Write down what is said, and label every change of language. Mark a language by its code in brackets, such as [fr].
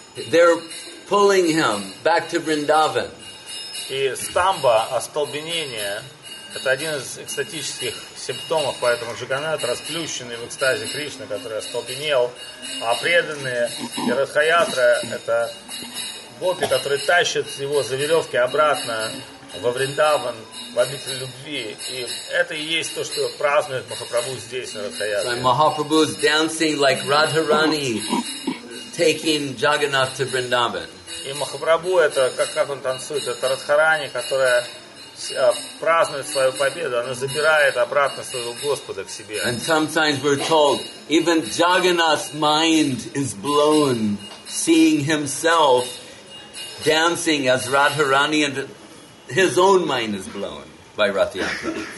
[en] They're pulling him back to Vrindavan. [ru] И стамба, остолбенение, это один из экстатических симптомов, поэтому Джаганнат расплющенный в экстазе Кришны, который остолбенел, а преданные и Радхаятра — это гопи, которые тащат его за веревки обратно во Вриндаван, в обитель любви. И это и есть то, что празднует Махапрабху здесь, на Радхаятре. [en] So Махапрабху is dancing like Radharani, taking Jagannath to Vrindavan. [ru] И Махапрабху — это как он танцует, это Радхарани, которая празднует свою победу, она забирает обратно своего Господа к себе. [en] And sometimes we're told, even Jagannath's mind is blown, seeing himself dancing as Radharani, and his own mind is blown by Ratyatra.